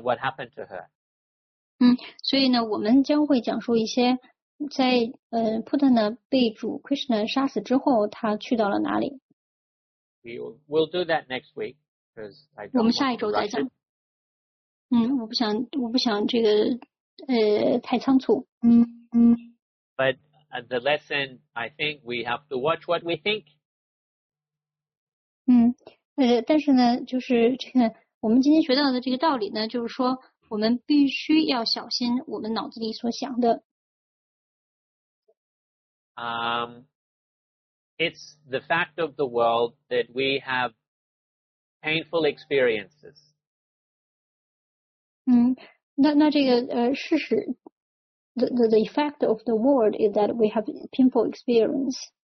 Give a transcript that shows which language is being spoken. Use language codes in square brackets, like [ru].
[en] What happened to her? [zh] 所以呢，我们将会讲述一些。在Putana 被主 Krishna 杀死之后，他去到了哪里 [en] ？We'll do that next week. [zh] 我们下一周再讲。我不想这个太仓促。 [en] But the lesson, I think, we have to watch what we think. [zh] 但是呢，就是这个我们今天学到的这个道理呢，就是说我们必须要小心我们脑子里所想的。 [en] It's the fact of the world that we have painful experiences. [zh] 那这个事实 [en] the fact of the world is that we have painful experience.